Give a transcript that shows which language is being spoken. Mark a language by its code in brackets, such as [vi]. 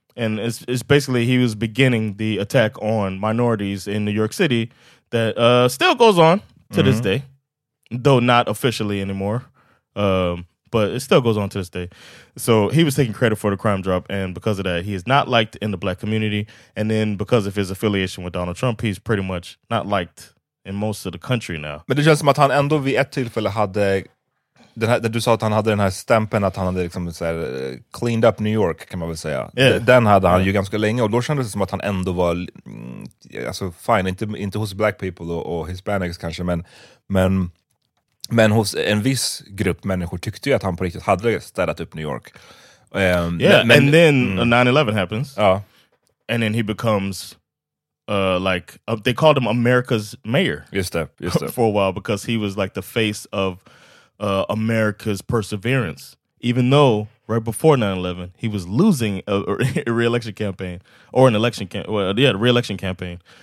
[en] And it's basically he was beginning the attack on minorities in New York City that still goes on to mm-hmm. this day, though not officially anymore. But it still goes on to this day. So he was taking credit for the crime drop. And because of that, he is not liked in the black community. And then because of his affiliation with Donald Trump, he's pretty much not liked in most of the country now. [sv] Men det känns som att han ändå vid ett tillfälle hade den här, där du sa att han hade den här stämpeln, att han hade liksom så här, [en] cleaned up New York, [sv] kan man väl säga. [en] Yeah. [sv] Den hade han ju ganska länge. Och då kändes det som att han ändå var, alltså fine, inte hos [en] black people [sv] och Hispanics kanske, men hos en viss grupp människor tyckte ju att han på riktigt hade städat upp New York. [en] And then 9/11 happens. And then he becomes they called him America's mayor. Just that. For a while, because he was like the face of America's perseverance. Even though right before 9/11 he was losing a re-election campaign or an election re-election campaign.